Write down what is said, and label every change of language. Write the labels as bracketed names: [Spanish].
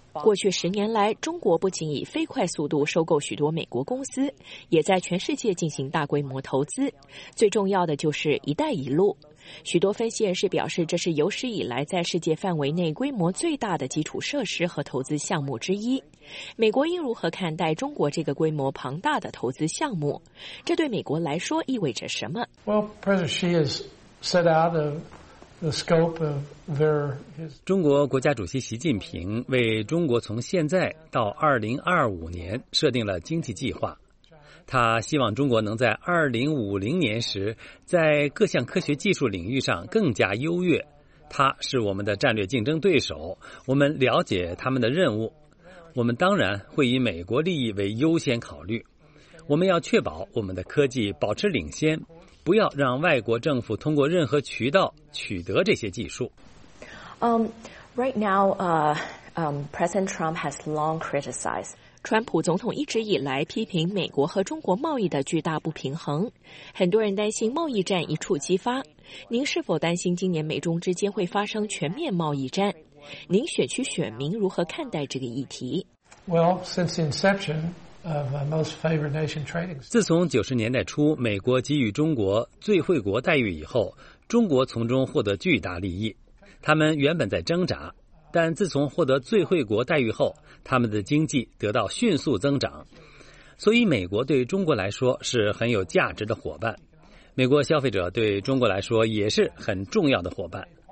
[Chinese] 过去十年来，中国不仅以飞快速度收购许多美国公司，也在全世界进行大规模投资。最重要的就是“一带一路”。许多分析人士表示，这是有史以来在世界范围内规模最大的基础设施和投资项目之一。美国应如何看待中国这个规模庞大的投资项目？这对美国来说意味着什么？ [English] Well, President Xi has set out the scope of their [Chinese] 中国国家主席习近平为中国从现在到2025年设定了经济计划。他希望中国能在2050年时，在各项科学技术领域上更加优越。他是我们的战略竞争对手，我们了解他们的任务。我们当然会以美国利益为优先考虑。我们要确保我们的科技保持领先，不要让外国政府通过任何渠道取得这些技术。 [English] Right now, President Trump has long criticized. [Chinese] 川普总统一直以来批评美国和中国贸易的巨大不平衡，很多人担心贸易战一触即发。您是否担心今年美中之间会发生全面贸易战？您选区选民如何看待这个议题？ [English] Well, since the inception of most favored nation trading, [Chinese] 自从90年代初美国给予中国最惠国待遇以后，中国从中获得巨大利益。他们原本在挣扎。但自从获得最惠国待遇后，他们的经济得到迅速增长，所以美国对中国来说是很有价值的伙伴，美国消费者对中国来说也是很重要的伙伴。